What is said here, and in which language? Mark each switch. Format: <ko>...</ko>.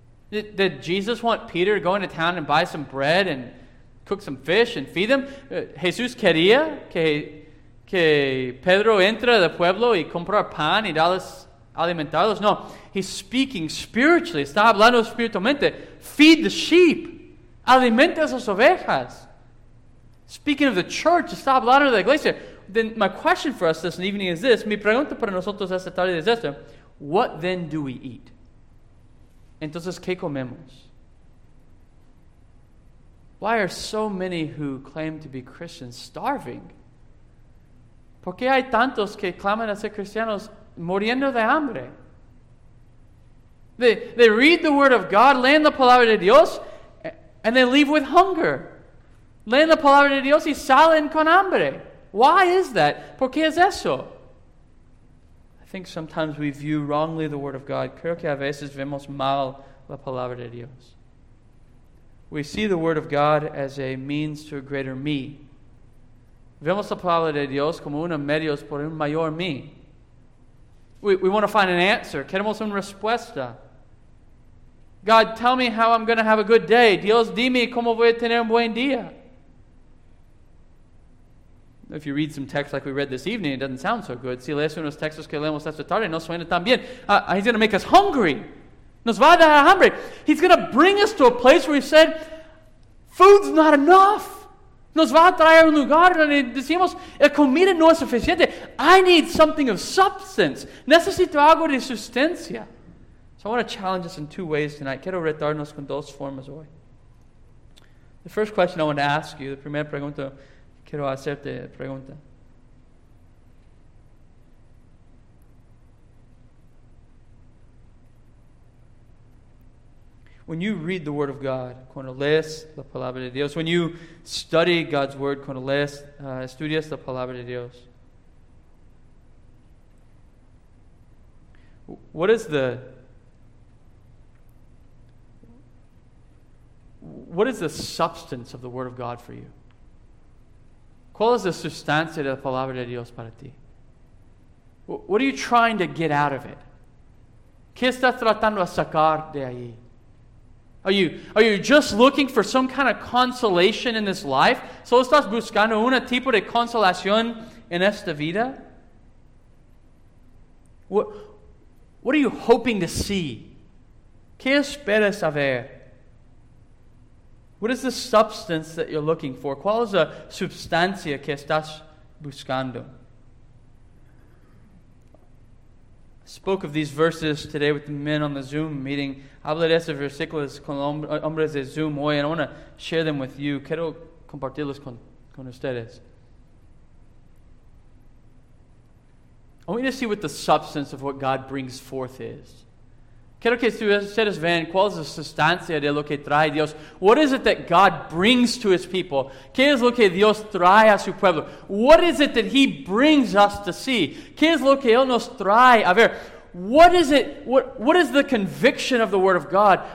<en>Did Jesus want Peter to go into town and buy some bread and cook some fish and feed them?</en> <es>¿Jesús quería que Pedro entre al pueblo y comprar pan y darles alimentarlos?</es> <en>No, he's speaking spiritually.</en> <es>Está hablando espiritualmente.</es> <en>Feed the sheep.</en> <es>Alimentas las ovejas.</es> <en>Speaking of the church,</en> <es>está hablando de la iglesia.</es> <en>Then my question for us this evening is this.</en> <es>Mi pregunta para nosotros esta tarde es esta.</es> <en>What then do we eat?</en> <es>Entonces, ¿qué comemos?</es> <en>Why are so many who claim to be Christians starving?</en> <es>¿Por qué hay tantos que claman a ser cristianos muriendo de hambre?</es> <en>They read the word of God,</en> <es>leen la palabra de Dios,</es> <en>and they leave with hunger.</en> <es>Leen la palabra de Dios y salen con hambre.</es> <en>Why is that?</en> <es>¿Por qué es eso?</es> <en>I think sometimes we view wrongly the word of God.</en> <es>Creo que a veces vemos mal la palabra de Dios.</es> <en>We see the word of God as a means to a greater me.</en> <es>Vemos la palabra de Dios como una medios por un mayor me.</es> <en>We want to find an answer.</en> <es>Queremos una respuesta.</es> <en>God, tell me how I'm going to have a good day.</en> <es>Dios, dime cómo voy a tener un buen día.</es> <en>If you read some text like we read this evening, it doesn't sound so good.</en> <es>Si lees unos textos que leemos esta tarde, no suena tan bien.</es> <en>He's going to make us hungry.</en> <es>Nos va a dar hambre.</es> <en>He's going to bring us to a place where we said, food's not enough.</en> <es>Nos va a traer un lugar donde decimos, el comida no es suficiente.</es> <en>I need something of substance.</en> <es>Necesito algo de sustancia.</es> <en>So I want to challenge us in two ways tonight.</en> <es>Quiero retarnos con dos formas hoy.</es> <en>The first question I want to ask you, the</en> <es>primera pregunta, quiero hacerte pregunta.</es> <en>When you read the word of God,</en> <es>cuando lees la palabra de Dios,</es> <en>when you study God's word,</en> <es>cuando lees, estudias la palabra de Dios,</es> <en>what is the substance of the word of God for you?</en> <es>¿Cuál es la sustancia de la palabra de Dios para ti?</es> <en>What are you trying to get out of it?</en> <es>¿Qué estás tratando de sacar de ahí?</es> <en>Are you just looking for some kind of consolation in this life?</en> <es>¿Solo estás buscando un tipo de consolación en esta vida?</es> <en>What are you hoping to see?</en> <es>¿Qué esperas a ver?</es> <en>What is the substance that you're looking for?</en> <es>¿Cuál es la sustancia que estás buscando?</es> <en>I spoke of these verses today with the men on the Zoom meeting.</en> <es>Hablé de esos versículos con hombres de Zoom hoy,</es> <en>and I want to share them with you.</en> <es>Quiero compartirlos con ustedes.</es> <en>I want you to see what the substance of what God brings forth is.</en> <es>Quiero que ustedes vean cuál es la sustancia de lo que trae Dios.</es> <en>What is it that God brings to his people?</en> <es>¿Qué es lo que Dios trae a su pueblo?</es> <en>What is it that he brings us to see?</en> <es>¿Qué es lo que él nos trae a ver?</es> <en>What is it, what is the conviction of the word of God?</en>